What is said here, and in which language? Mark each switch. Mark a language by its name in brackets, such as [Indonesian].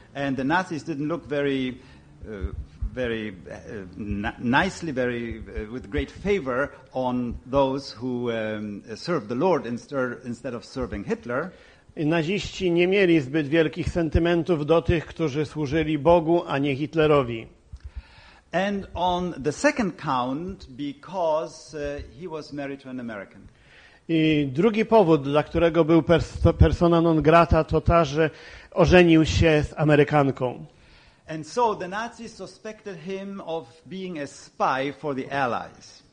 [English] And the Nazis didn't look very, very nicely, very with great favor on those who served the Lord instead of serving Hitler. [Polish] Naziści nie mieli zbyt wielkich sentymentów do tych, którzy służyli Bogu, a nie Hitlerowi. [English] And on the second count, because he was married to an American. [Polish] I drugi powód, dla którego był persona non grata, to ta, że ożenił się z Amerykanką. [English] And so the Nazis suspected him of being a spy for the Allies.